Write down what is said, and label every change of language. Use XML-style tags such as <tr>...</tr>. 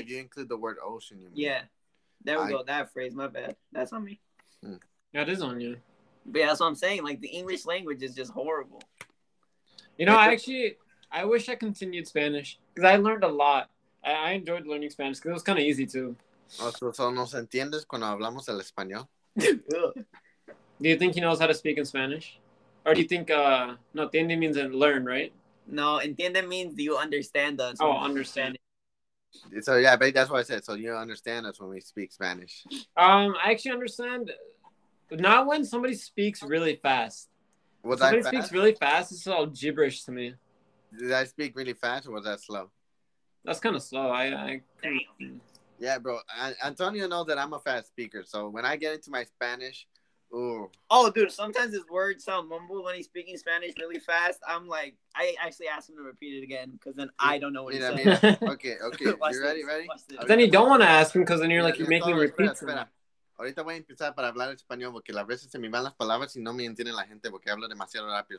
<en>If you include the word ocean, you mean. Yeah. There we go. That phrase, my bad. That's on me. That is on you. But yeah, that's what I'm saying. Like, the English language is just horrible. You know, I wish I continued Spanish because I learned a lot. I enjoyed learning Spanish because it was kind of easy too.</en> <es>¿So nos entiendes cuando hablamos el español?</es> <en>Do you think he knows how to speak in Spanish? Or do you think, no, entiende means learn, right? No, entiende means you understand us. Oh, understand. So yeah, but that's what I said. So you understand us when we speak Spanish. I actually understand. Not when somebody speaks really fast. Was somebody fast? Speaks really fast, it's all gibberish to me. Did I speak really fast or was that slow? That's kind of slow. I Yeah, bro. Antonio knows that I'm a fast speaker. So when I get into my Spanish, ooh. Oh, dude. Sometimes his words sound mumbled when he's speaking Spanish really fast. I'm like, I actually ask him to repeat it again because then I don't know what he's saying. Okay. You ready? But then you don't want to ask him because then you're like, you're making him repeat something.</en> <es>Ahorita voy a empezar para hablar español porque a veces se me van las palabras y no me entiende la gente porque hablo demasiado rápido.</es>